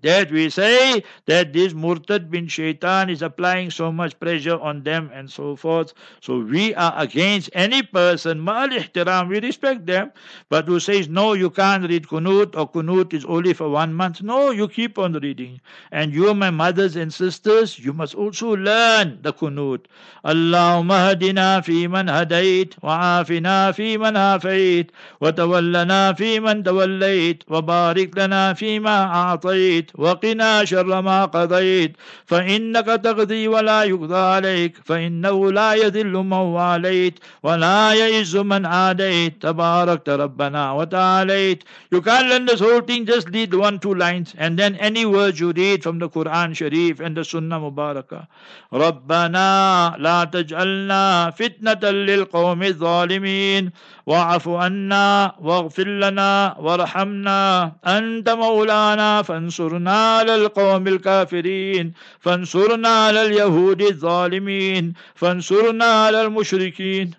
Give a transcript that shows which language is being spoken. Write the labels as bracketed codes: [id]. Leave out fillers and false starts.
[en] That we say that this Murtad bin Shaitan is applying so much pressure on them and so forth. So we are against any person, ma'al ihtiram, we respect them, but who says, no, you can't read Kunut or Kunut is only for 1 month. No, you keep on reading. And you, my mothers and sisters, you must also learn the Kunut. [ar] Allahumma hadina fi man hadait wa'afina fi man عافيت وتولنا في من توليت وبارك لنا فيما أعطيت وقنا شر ما قضيت فإنك تغذي ولا يقضى عليك فإنه لا يذل من واليت ولا يئز من عاديت تبارك ربنا وتعاليت. [en] You can't learn this whole thing, just read one, two lines and then any words you read from the Quran Sharif and the Sunnah Mubaraka. [ar] ربنا لا تجعلنا فتنة للقوم الظالمين وَعَفُ عَنَّا وَاغْفِرْ لَنَا وَرْحَمْنَا أَنْتَ مَوْلَانَا فَانْصُرْنَا لَلْقَوْمِ الْكَافِرِينَ فَانْصُرْنَا لَلْيَهُودِ الظَّالِمِينَ فَانْصُرْنَا لِلْمُشْرِكِينَ.